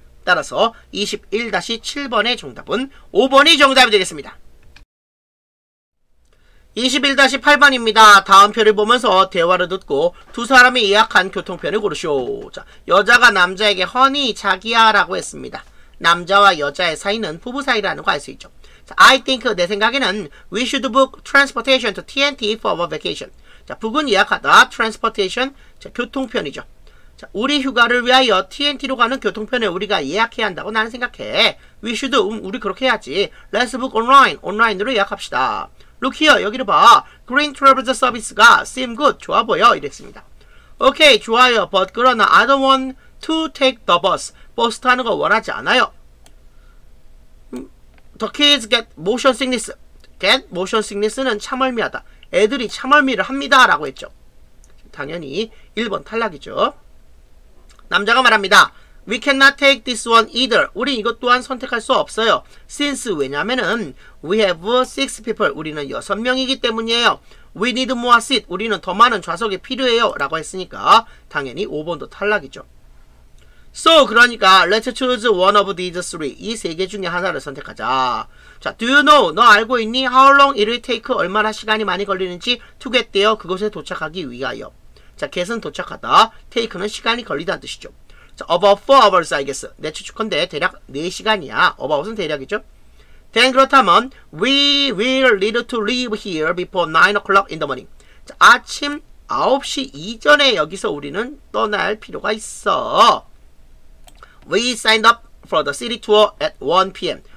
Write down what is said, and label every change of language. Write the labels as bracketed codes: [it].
[ko] 따라서 21-7번의 정답은 5번이 정답이 되겠습니다. 21-8번입니다. 다음 표를 보면서 대화를 듣고 두 사람이 예약한 교통편을 고르쇼. 자, 여자가 남자에게 허니 자기야 라고 했습니다. 남자와 여자의 사이는 부부 사이라는 거 알 수 있죠. [en] 자, I think [ko] 내 생각에는 [en] we should book transportation to TNT for our vacation. [ko] 자, 북은 예약하다, transportation, 자, 교통편이죠. 자, 우리 휴가를 위하여 TNT로 가는 교통편을 우리가 예약해야 한다고 나는 생각해. [en] We should, [ko] 우리 그렇게 해야지. [en] Let's book online, [ko] 온라인으로 예약합시다. [en] Look here, [ko] 여기를 봐. Green Travel Service가 [en] seem good, [ko] 좋아 보여, 이랬습니다. [en] Okay, [ko] 좋아요. [en] But [ko] 그러나 [en] I don't want to take the bus. [ko] 버스 타는 거 원하지 않아요. [en] The kids get motion sickness. Get motion sickness는 [ko] 차멀미하다. 애들이 차멀미를 합니다. 라고 했죠. 당연히 1번 탈락이죠. 남자가 말합니다. [en] We cannot take this one either. [ko] 우리 이것 또한 선택할 수 없어요. [en] Since, [ko] 왜냐면은 [en] We have 6 people. [ko] 우리는 6명이기 때문이에요. [en] We need more seat. [ko] 우리는 더 많은 좌석이 필요해요. 라고 했으니까 당연히 5번도 탈락이죠. [en] So, [ko] 그러니까 [en] Let's choose one of these three. [ko] 이 세 개 중에 하나를 선택하자. [en] 자, Do you know? [ko] 너 알고 있니? [en] How long it will take? [ko] 얼마나 시간이 많이 걸리는지 [en] To get there. [ko] 그곳에 도착하기 위하여. 자, get은 도착하다. take는 시간이 걸리다는 뜻이죠. 자, [en] about 4 hours, I guess. [ko] 내 추측컨대 대략 4시간이야. about은 대략이죠. [en] Then [ko] 그렇다면, [en] we will need to leave here before 9 o'clock in the morning. [ko] 자, 아침 9시 이전에 여기서 우리는 떠날 필요가 있어. [en] We signed up for the city tour at 1 p.m.